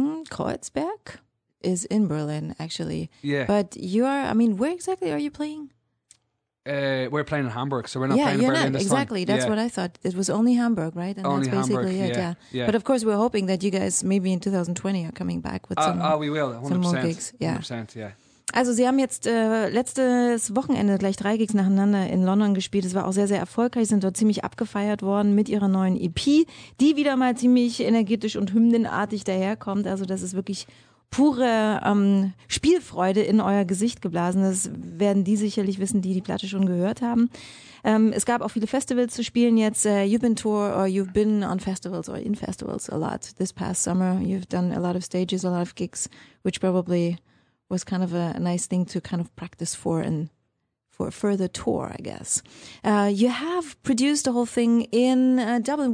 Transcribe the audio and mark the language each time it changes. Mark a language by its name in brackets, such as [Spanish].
[English] Kreuzberg is in Berlin, actually. Yeah. But you are, I mean, where exactly are you playing? We're playing in Hamburg, so we're not playing in Berlin this time. Exactly, that's what I thought. It was only Hamburg, right? And only that's basically Hamburg, Yeah. But of course, we're hoping that you guys, maybe in 2020, are coming back with we will, 100%, some more gigs. Yeah. 100%, yeah. [German] Also, Sie haben jetzt letztes Wochenende gleich 3 Gigs nacheinander in London gespielt. Es war auch sehr, sehr erfolgreich. Sie sind dort ziemlich abgefeiert worden mit Ihrer neuen EP, die wieder mal ziemlich energetisch und hymnenartig daherkommt. Also, das ist wirklich pure Spielfreude in euer Gesicht geblasen. Das werden die sicherlich wissen, die die Platte schon gehört haben. Es gab auch viele Festivals zu spielen jetzt. [English] You've been on festivals or in festivals a lot this past summer. You've done a lot of stages, a lot of gigs, which probably was kind of a nice thing to kind of practice for and for a further tour, I guess. You have produced the whole thing in Dublin.